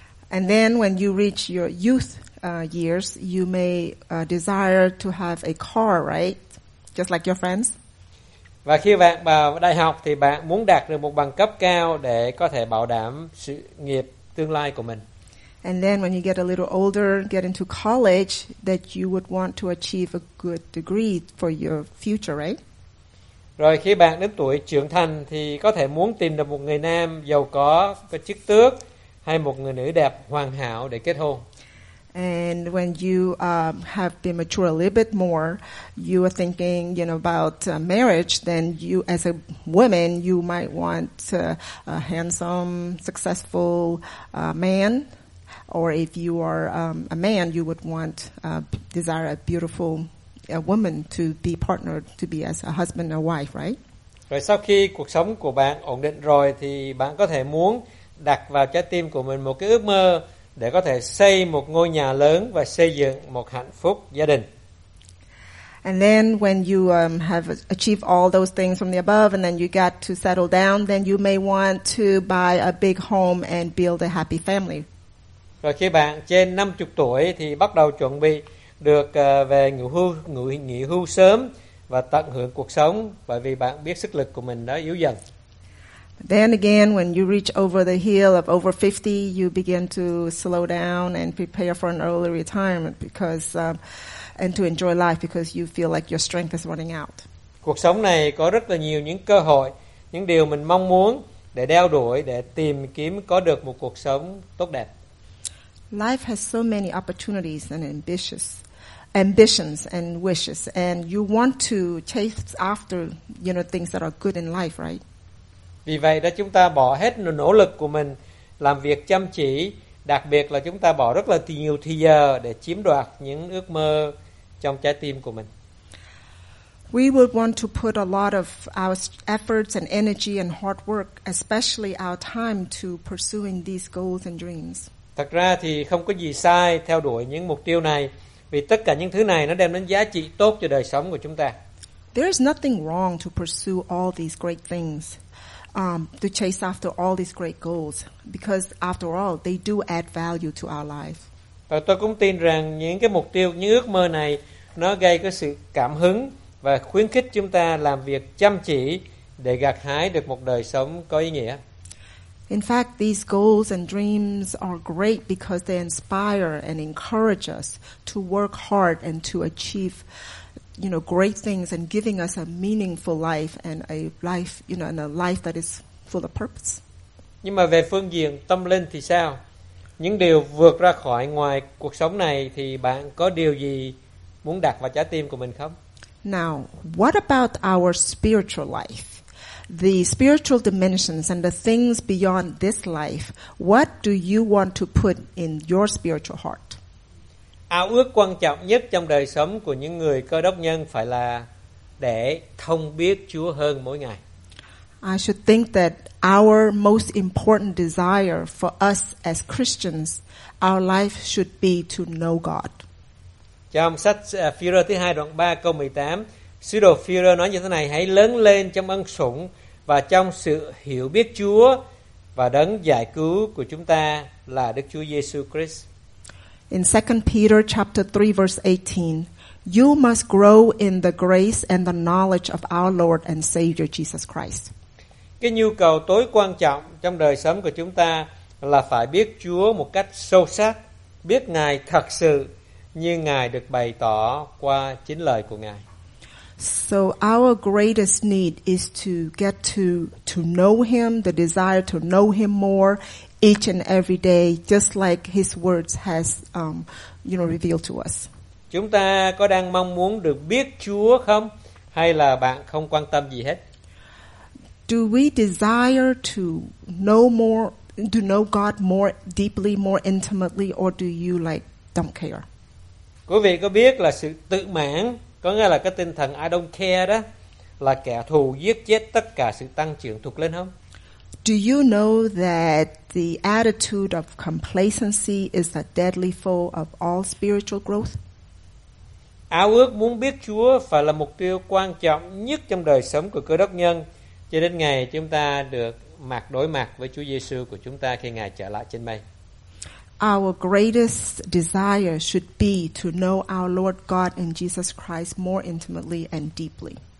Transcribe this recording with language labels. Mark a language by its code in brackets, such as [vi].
[en] And then when you reach your youth years, you may desire to have a car, right? Just like your friends. [vi] Và khi bạn vào đại học thì bạn muốn đạt được một bằng cấp cao để có thể bảo đảm sự nghiệp tương lai của mình. [en] And then when you get a little older, get into college, that you would want to achieve a good degree for your future, right? [vi] Rồi khi bạn đến tuổi trưởng thành thì có thể muốn tìm được một người nam giàu có, có chức tước hay một người nữ đẹp hoàn hảo để kết hôn. [en] And when you have been mature a little bit more, you are thinking, you know, about marriage, then you as a woman, you might want a handsome, successful man. Or if you are a man, you would want desire a beautiful woman to be partnered to be as a husband or wife, right? [vi] Rồi sau khi cuộc sống của bạn ổn định rồi thì bạn có thể muốn đặt vào trái tim của mình một cái ước mơ để có thể xây một ngôi nhà lớn và xây dựng một hạnh phúc gia đình. [en] And then when you have achieved all those things from the above and then you got to settle down, then you may want to buy a big home and build a happy family. [vi] Rồi khi bạn trên 50 tuổi thì bắt đầu chuẩn bị được về nghỉ hưu sớm và tận hưởng cuộc sống bởi vì bạn biết sức lực của mình đã yếu dần. [en] Then again, when you reach over the hill of over 50, you begin to slow down and prepare for an early retirement because and to enjoy life because you feel like your strength is running out. [vi] Cuộc sống này có rất là nhiều những cơ hội, những điều mình mong muốn để đeo đuổi, để tìm kiếm có được một cuộc sống tốt đẹp. [en] Life has so many opportunities and ambitions and wishes, and you want to chase after, you know, things that are good in life, right? [vi] Vì vậy đó chúng ta bỏ hết nỗ lực của mình, làm việc chăm chỉ, đặc biệt là chúng ta bỏ rất là nhiều thời giờ để chiếm đoạt những ước mơ trong trái tim của mình. [en] We would want to put a lot of our efforts and energy and hard work, especially our time, to pursuing these goals and dreams. [vi] Thật ra thì không có gì sai theo đuổi những mục tiêu này, vì tất cả những thứ này nó đem đến giá trị tốt cho đời sống của chúng ta. [en] There is nothing wrong to pursue all these great things, to chase after all these great goals, because after all, they do add value to our life. [vi] Và tôi cũng tin rằng những cái mục tiêu, những ước mơ này nó gây cái sự cảm hứng và khuyến khích chúng ta làm việc chăm chỉ để gặt hái được một đời sống có ý nghĩa. [en] In fact, these goals and dreams are great because they inspire and encourage us to work hard and to achieve, you know, great things, and giving us a meaningful life and a life, you know, and a life that is full of purpose. [vi] Nhưng mà về phương diện tâm linh thì sao? Những điều vượt ra khỏi ngoài cuộc sống này thì bạn có điều gì muốn đặt vào trái tim của mình không? [en] Now, what about our spiritual life? The spiritual dimensions and the things beyond this life, what do you want to put in your spiritual heart? [vi] Ao ước quan trọng nhất trong đời sống của những người Cơ Đốc nhân phải là để thông biết Chúa hơn mỗi ngày. [en] I should think that our most important desire for us as Christians, our life should be to know God. [vi] Trong sách Phi-rơ thứ 2 đoạn 3 câu 18, Sứ đồ Phi-rơ nói như thế này: hãy lớn lên trong ân sủng và trong sự hiểu biết Chúa và đấng giải cứu của chúng ta là Đức Chúa Giê-xu Christ. [en] In 2 Peter chapter 3 verse 18, you must grow in the grace and the knowledge of our Lord and Savior Jesus Christ. [vi] Cái nhu cầu tối quan trọng trong đời sống của chúng ta là phải biết Chúa một cách sâu sắc, biết Ngài thật sự như Ngài được bày tỏ qua chính lời của Ngài. [en] So our greatest need is to get to know Him, the desire to know Him more each and every day, just like His words has, you know, revealed to us. [vi] Chúng ta có đang mong muốn được biết Chúa không, hay là bạn không quan tâm gì hết? [en] Do we desire to know more, to know God more deeply, more intimately, or do you like don't care? [vi] Quý vị có biết là sự tự mãn, có nghĩa là cái tinh thần [en] I don't care [vi] đó, là kẻ thù giết chết tất cả sự tăng trưởng thuộc linh không? [en] Do you know that the attitude of complacency is a deadly foe of all spiritual growth? [vi] Ao ước muốn biết Chúa phải là mục tiêu quan trọng nhất trong đời sống của Cơ Đốc nhân cho đến ngày chúng ta được mặt đối mặt với Chúa Giê-xu của chúng ta khi Ngài trở lại trên mây. [en] Our greatest desire should be to know our Lord God and Jesus Christ more intimately and deeply.